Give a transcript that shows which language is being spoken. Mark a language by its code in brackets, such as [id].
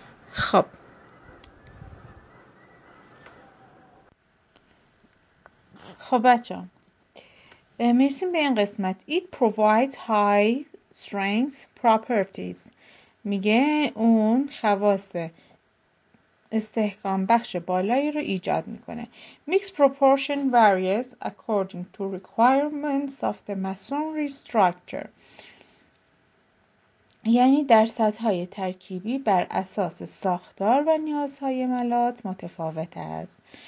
[fa] خب بچه میرسیم به این قسمت. [en] It provides high strength properties. [fa] میگه اون خواص استحکام بخش بالایی رو ایجاد میکنه. [en] Mixed proportion varies according to requirements of the masonry structure. [fa] یعنی در سطح‌های ترکیبی بر اساس ساختار و نیازهای ملات متفاوت است.